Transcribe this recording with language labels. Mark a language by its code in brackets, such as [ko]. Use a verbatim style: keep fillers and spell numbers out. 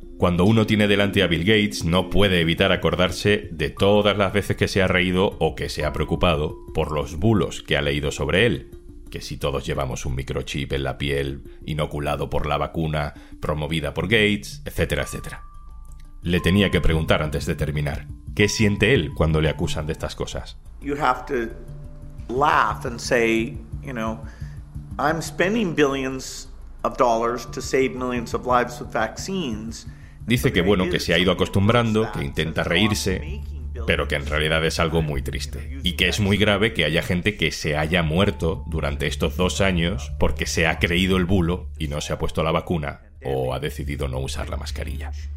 [es] Cuando uno tiene delante a Bill Gates, no puede evitar acordarse de todas las veces que se ha reído o que se ha preocupado por los bulos que ha leído sobre él. Que si todos llevamos un microchip en la piel, inoculado por la vacuna promovida por Gates, etcétera, etcétera. Le tenía que preguntar antes de terminar, ¿qué siente él cuando le acusan de estas cosas? [en] You have to laugh and say, you know, I'm spending billions of dollars to save millions of lives with vaccines. [es] Dice que bueno, que se ha ido acostumbrando, que intenta reírse, pero que en realidad es algo muy triste. Y que es muy grave que haya gente que se haya muerto durante estos dos años porque se ha creído el bulo y no se ha puesto la vacuna o ha decidido no usar la mascarilla.